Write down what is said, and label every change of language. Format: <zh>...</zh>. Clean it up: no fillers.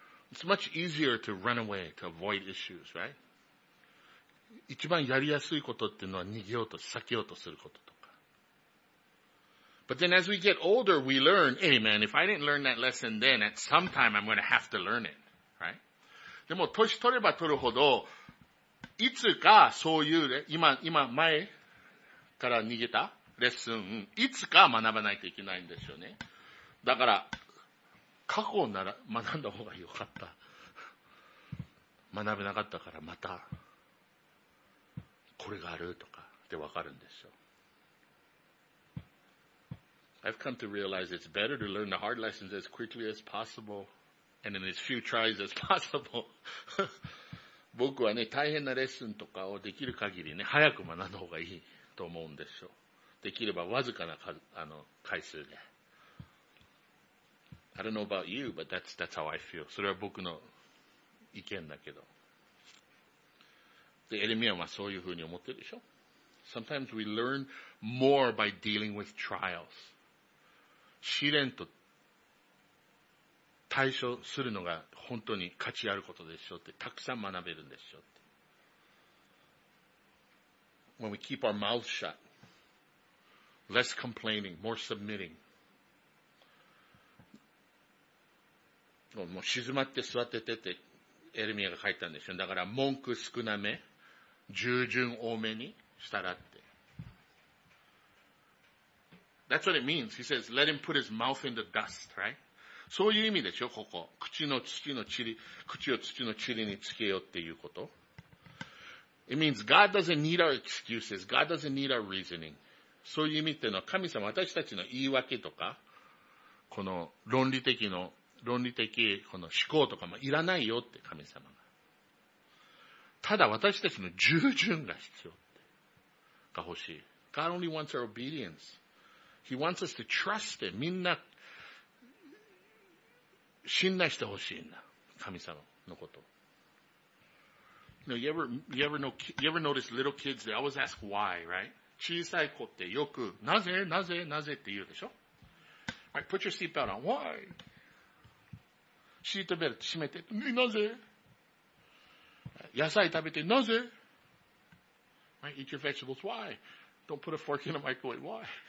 <en>It's much easier to run away, to avoid issues, right?</en> <ja>一番やりやすいことっていうのは逃げようと、避けようとすることとか。</ja> <en>But then as we get older, we learn, hey man, if I didn't learn that lesson then, at some time I'm going to have to learn it, right?</en> <ja>でも年取れば取るほど、いつかそういう、今前から逃げたレッスン、いつか学ばないといけないんですよね。だから、過去なら学んだ方がよかった。学べなかったからまた、これがあるとかってわかるんですよ。</ja> <en>I've come to realize it's better to learn the hard lessons as quickly as possible and in as few tries as possible.</en> <ja>僕はね、大変なレッスンとかをできる限りね、早く学んだ方がいいと思うんですよ。できればわずかな回数で。</ja> <en>I don't know about you, but that's how I feel.</en> <ja>それは僕の意見だけど。で、エレミアはそういうふうに思ってるでしょ。</ja> <en>Sometimes we learn more by dealing with trials.</en> <ja>試練と対処するのが本当に価値あることでしょうって、たくさん学べるんでしょうって。</ja> <en>When we keep our mouth shut, less complaining, more submitting.</en> <ja>もう静まって座っててって、エレミアが書いたんですよ。だから文句少なめ、従順多めにしたらって。</ja> <en>That's what it means. He says, let him put his mouth in the dust, right?</en> <ja>そういう意味でしょ、ここ。口を土の塵につけようっていうこと。</ja> <en>It means God doesn't need our excuses. God doesn't need our reasoning.</en> <ja>そういう意味っていうのは、神様、私たちの言い訳とか、この論理的この思考とかもいらないよって、神様が。ただ私たちの従順が必要って、が欲しい。</ja> <en>God only wants our obedience. He wants us to trust him. みんな、</en> <ja>信頼してほしいんだ。神様のこと。</ja> <en>You ever notice little kids, they always ask why, right?</en> <ja>小さい子ってよく、なぜ、なぜ、なぜって言うでしょ</ja> <en>?Right, put your seatbelt on. Why?</en> <ja>シートベルト閉めて、なぜ野菜食べて、なぜ</ja> <en>?Right, eat your vegetables. Why? Don't put a fork in a microwave. Why?</en>